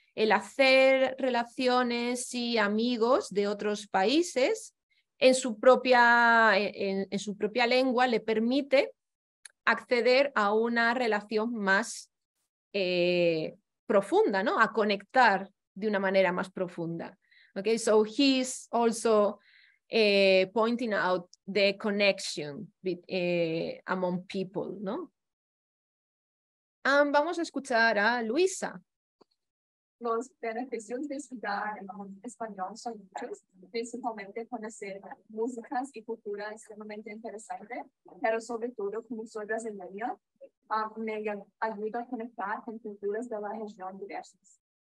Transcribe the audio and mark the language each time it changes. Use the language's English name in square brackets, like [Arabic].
[Spanish] El hacer relaciones y amigos de otros países en su propia lengua le permite acceder a una relación más profunda, ¿no? A conectar de una manera más profunda. [English] Okay, so he's also pointing out the connection among people, ¿no? [Spanish] Vamos a escuchar a Luisa. Los beneficios de estudiar español son muchos, principalmente conocer músicas y cultura extremadamente interesante, pero sobre todo como soy brasileño, me ayuda a conectar con culturas de la región diversas.